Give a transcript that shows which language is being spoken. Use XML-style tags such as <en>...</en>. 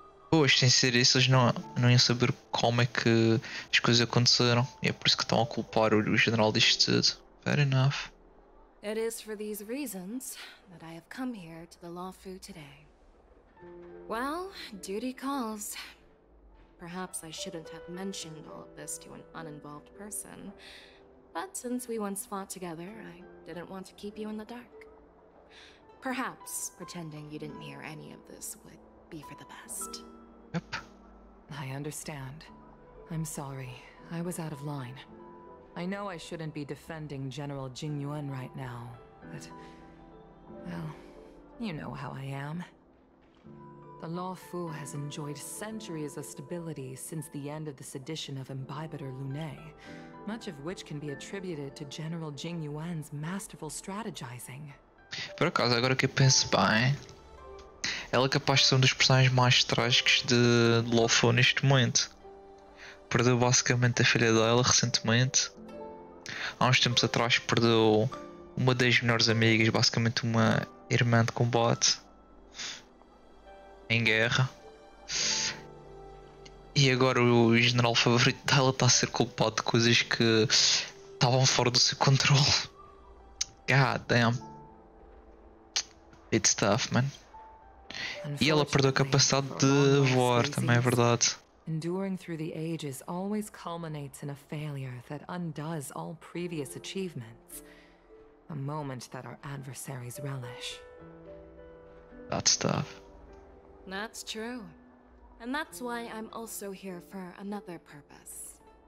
<pt>Poxa, sem ser isso, eles não iam saber como é que as coisas aconteceram. E é por isso que estão a culpar o general disto tudo.</pt> <en>Fair enough. It is for these reasons that I have come here to the Lawfu today. Well, duty calls. Perhaps I shouldn't have mentioned all of this to an uninvolved person. But since we once fought together, I didn't want to keep you in the dark. Perhaps pretending you didn't hear any of this would be for the best. Yep. I understand. I'm sorry. I was out of line. I know I shouldn't be defending General Jing Yuan right now, but... Well, you know how I am. The Lawfu has enjoyed centuries of stability since the end of the sedition of Imbibitor Lune, much of which can be attributed to General Jing Yuan's masterful strategizing.</en> <pt>Por acaso, agora que eu penso bem, ela é capaz de ser um dos personagens mais trágicos de Lofo neste momento. Perdeu basicamente a filha dela recentemente. Há uns tempos atrás perdeu uma das melhores amigas, basicamente uma irmã de combate. Em guerra. E agora o general favorito dela está a ser culpado de coisas que estavam fora do seu controle.</pt> <en>God damn. It's tough, man.</en> <pt>E ela perdeu a capacidade de voar, também é verdade.</pt> <en>Enduring through the ages always culminates in a failure that undoes all previous achievements. A moment that our adversaries relish. That's tough. That's true. And that's why I'm also here for another purpose.</en>